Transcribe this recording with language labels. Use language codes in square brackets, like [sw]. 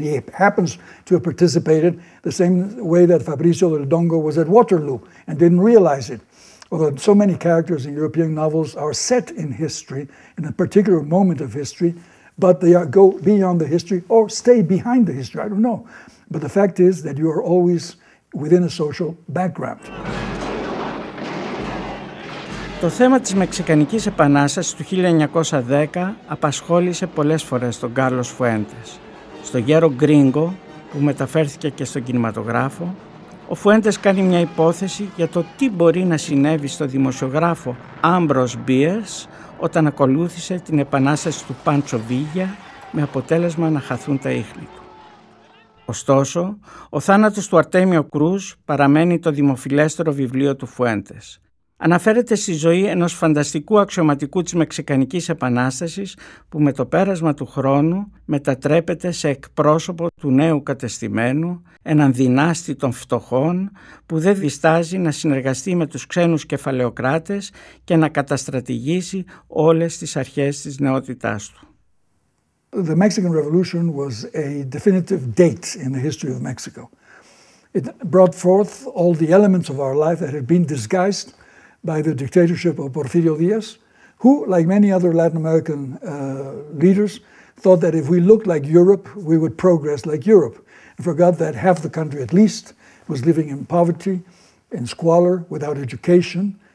[en] He happens to have participated the same way that Fabrizio del Dongo was at Waterloo and didn't realize it. Although so many characters in European novels are set in history, in a particular moment of history, but they go beyond the history or stay behind the history, I don't know. But the fact is that you are always within a social background. [el] Το θέμα της Μεξικανικής Επανάστασης του 1910 απασχόλησε πολλές φορές τον Κάρλος Φουέντες. Στο γέρο Γκρίνγκο, που μεταφέρθηκε και στον κινηματογράφο, ο Φουέντες κάνει μια υπόθεση για το τι μπορεί να συνέβη στο δημοσιογράφο Άμπρος Μπίερς όταν ακολούθησε την επανάσταση του Πάντσο Βίγια με αποτέλεσμα να χαθούν τα ίχνη του. Ωστόσο, ο θάνατος του Αρτέμιο Κρούς παραμένει το δημοφιλέστερο βιβλίο του Φουέντες. Αναφέρεται στη ζωή ενός φανταστικού αξιωματικού της Μεξικανικής Επανάστασης που με το πέρασμα του χρόνου μετατρέπεται σε εκπρόσωπο του νέου κατεστημένου, έναν δυνάστη των φτωχών που δεν διστάζει να συνεργαστεί με τους ξένους κεφαλαιοκράτες και να καταστρατηγήσει όλες τις αρχές της νεότητάς του. [en] The Mexican Revolution was a definitive date in the history of Mexico. It brought forth all the elements of our life that had been disguised by the dictatorship of Porfirio Diaz, who, like many other Latin American leaders, thought that if we looked like Europe, we would progress like Europe, and forgot that half the country, at least, was living in poverty, in squalor, without education.